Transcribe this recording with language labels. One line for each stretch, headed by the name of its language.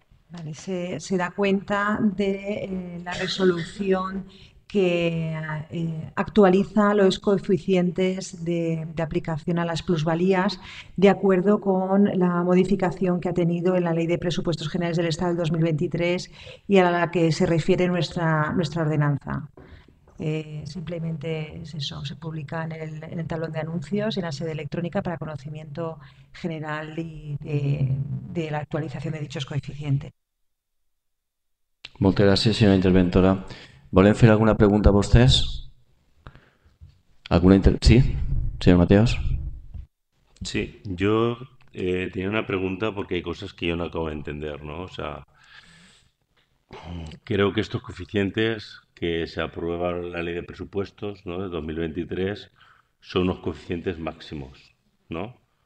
Spanish: Vale, se da cuenta de la resolución que actualiza los coeficientes de aplicación a las plusvalías de acuerdo con la modificación que ha tenido en la Ley de Presupuestos Generales del Estado del 2023 y a la que se refiere nuestra ordenanza. Simplemente es eso, se publica en el tablón de anuncios y en la sede electrónica para conocimiento general y de la actualización de dichos coeficientes.
Catalan: Moltes gràcies, senyora interventora. Volem fer alguna pregunta a vostès? Sí, senyor Mateos. Sí, jo tenia una pregunta perquè hi ha coses que jo no acabo d'entendre, no?
Spanish: O sea, creo que estos coeficientes que se aprueba la Ley de Presupuestos, ¿no?, de 2023, son unos coeficientes máximos, ¿no?